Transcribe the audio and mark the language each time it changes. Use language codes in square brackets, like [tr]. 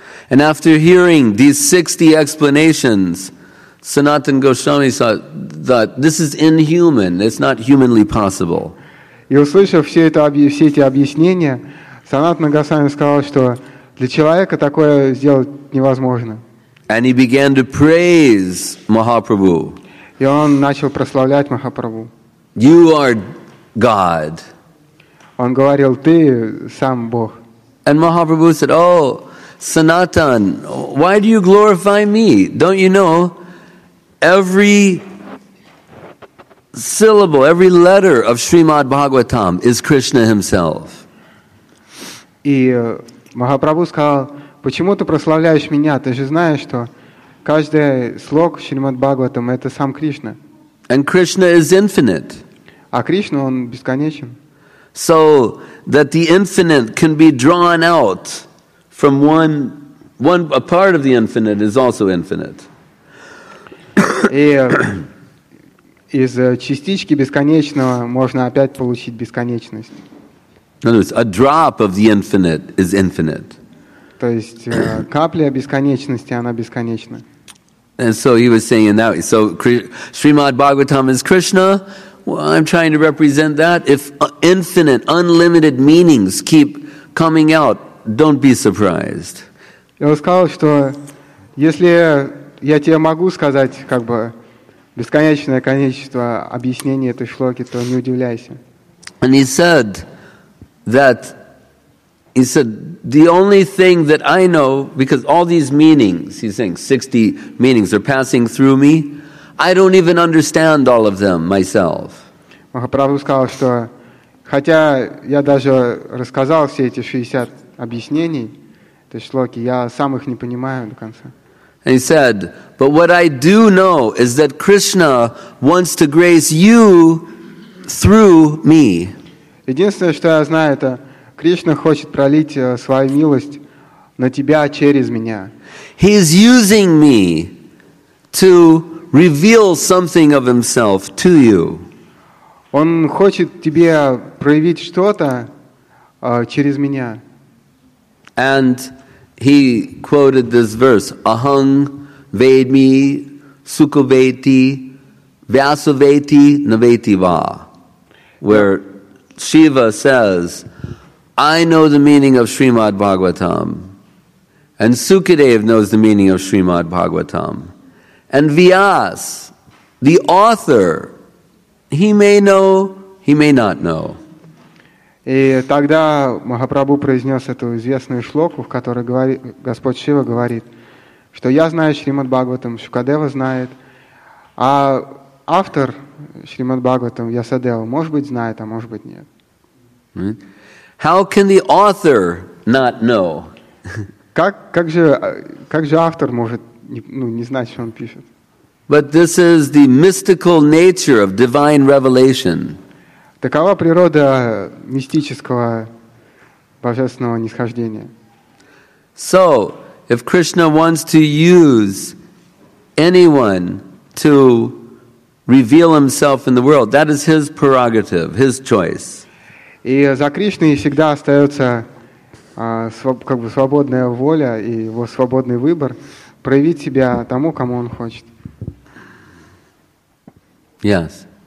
[en] And after hearing these 60 explanations, Sanatan Goswami thought, this is inhuman, it's not humanly possible. [ru] И услышав все эти объяснения, Санатана Госвами сказал, что для человека такое сделать невозможно. [en] And he began to praise Mahaprabhu. [ru] И он начал прославлять Махапрабху. [en] You are God. [ru] Он говорил, ты сам Бог. [en] And Mahaprabhu said, oh, Sanatan, why do you glorify me? Don't you know every syllable, every letter of Srimad Bhagavatam is Krishna himself? [ru] И Махапрабху сказал, почему ты прославляешь меня? Ты же знаешь, что каждый слог Шримад Бхагаватам это сам Кришна. [en] And Krishna is infinite. [ru] А Кришна, он бесконечен. [en] So that the infinite can be drawn out from one one a part of the infinite is also infinite. [ru] Из частички бесконечного можно опять получить бесконечность. [en] In other words, a drop of the infinite is infinite. [ru] То есть капля бесконечности она бесконечна. [en] And so he was saying that. So Srimad Bhagavatam is Krishna. Well, I'm trying to represent that. If infinite, unlimited meanings keep coming out, don't be surprised. [ru] Я сказал, что если я тебе могу сказать, как бы бесконечное количество объяснений этой шлоки, то не удивляйся. [en] And he said that. He said, the only thing that I know, because all these meanings, he's saying 60 meanings are passing through me, I don't even understand all of them myself. [ru] Махапрабху сказал, что хотя я даже рассказал все эти 60 объяснений, то есть шлоки, я сам их не понимаю до конца. [en] And he said, but what I do know is that Krishna wants to grace you through me. [ru] Единственное, что я знаю, это Кришна хочет пролить свою милость на тебя через меня. [en] He is using me to reveal something of himself to you. [ru] Он хочет тебе проявить что-то через меня. [en] And he quoted this verse: [sa] Aham vedmi sukaveti vyasaveti naveti va, [en] where Shiva says, I know the meaning of Srimad Bhagavatam, and Sukadev knows the meaning of Srimad Bhagavatam, and Vyas, the author, he may know, he may not know. [ru] И тогда Махапрабху произнес эту известную шлоку, в которой говорит, Господь Шива говорит, что я знаю Шримад Бхагаватам, Шукадева знает, а автор Шримад Бхагаватам, Ясадева, может быть, знает, а может быть, нет. [en] How can the author not know? [ru] Как же автор может не знать, что он пишет? [en] But this is the mystical nature of divine revelation. [ru] Такова природа мистического божественного нисхождения. [en] So, if Krishna wants to use anyone to reveal himself in the world, that is his prerogative, his choice. [ru] И за Кришной всегда остается как бы свободная воля и его свободный выбор проявить себя тому, кому он хочет. [en] Yes.